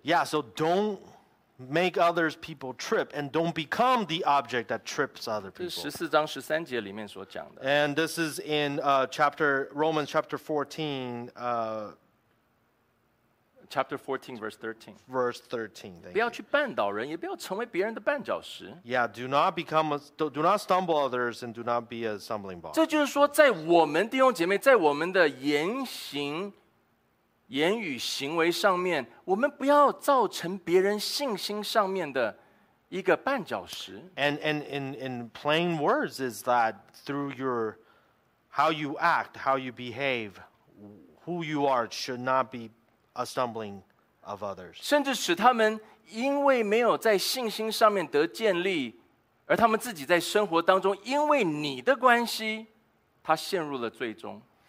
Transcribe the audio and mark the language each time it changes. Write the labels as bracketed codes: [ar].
[en] Yeah, so don't make others people trip and don't become the object that trips other people. [zh] 这是14章13节里面所讲的。 [en] And this is in Romans chapter 14, chapter 14, verse 13. Verse 13, thank you. [zh] 不要去绊倒人，也不要成为别人的绊脚石。 [en] Yeah, do not stumble others and do not be a stumbling block. [zh] 这就是说在我们弟兄姐妹，在我们的言行、言语、行为上面，我们不要造成别人信心上面的一个绊脚石。 [en] And in plain words is that through your, how you act, how you behave, who you are should not be a stumbling of others. [zh] 甚至使他们因为没有在信心上面得建立，而他们自己在生活当中因为你的关系，他陷入了最终。